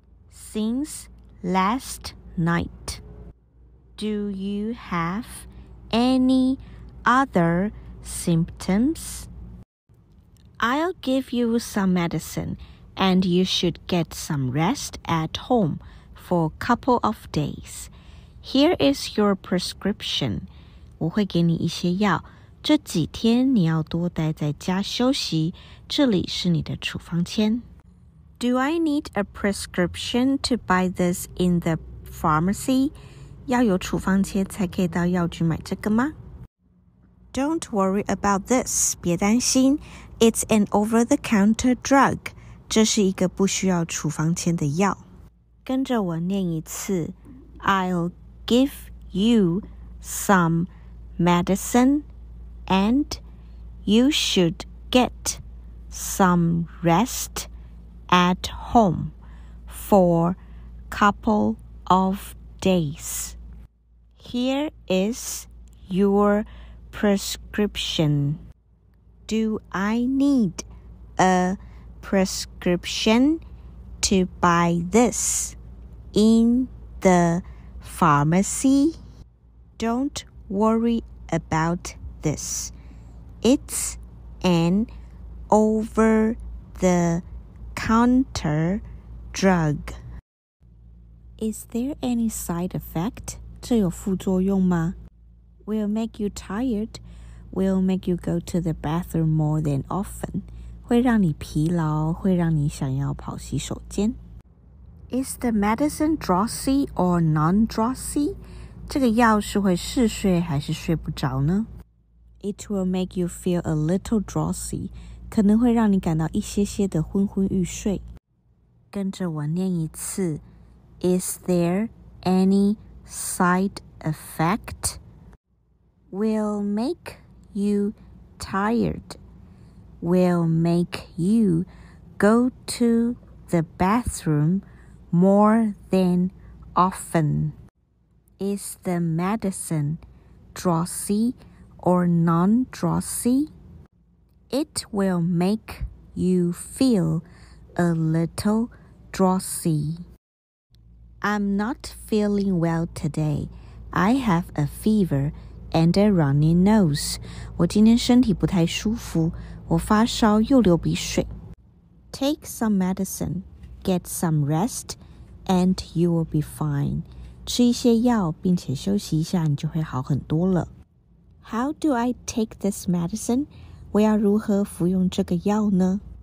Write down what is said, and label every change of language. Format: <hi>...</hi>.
<en>Since last night. Do you have any other symptoms? I'll give you some medicine, and you should get some rest at home for a couple of days. Here is your prescription.</en> <zh>我会给你一些药，这几天你要多待在家休息，这里是你的处方签。</zh> <en>Do I need a prescription to buy this in the pharmacy?</en> <zh>要有处方签才可以到药局买这个吗?</zh> <en>Don't worry about this.</en> <zh>别担心。</zh> <en>It's an over-the-counter drug.</en> <zh>这是一个不需要处方签的药。跟着我念一次。</zh> <en>I'll give you some medicine and you should get some rest at home for a couple of days. Here is your prescription. Do I need a prescription to buy this in the pharmacy? Don't worry about this. It's an over-the-counter drug. Is there any side effect?</en> <zh>这有副作用吗?</zh> <en>Will make you tired. Will make you go to the bathroom more than often.</en> <zh>会让你疲劳,会让你想要跑洗手间。</zh> <en>Is the medicine drowsy or non-drowsy?</en> <zh>这个药是会嗜睡还是睡不着呢?</zh> <en>It will make you feel a little drowsy.</en> <zh>可能会让你感到一些些的昏昏欲睡。跟着我念一次。</zh> <en>Is there any side effect? Will make you tired. Will make you go to the bathroom more than often. Is the medicine drowsy or non-drowsy? It will make you feel a little drowsy. I'm not feeling well today. I have a fever and a runny nose.</en> <zh>我今天身体不太舒服，我发烧又流鼻水。</zh> <en>Take some medicine, get some rest, and you will be fine.</en> <zh>吃一些药并且休息一下，你就会好很多了。</zh> <en>How do I take this medicine?</en> <zh>我要如何服用这个药呢?</zh>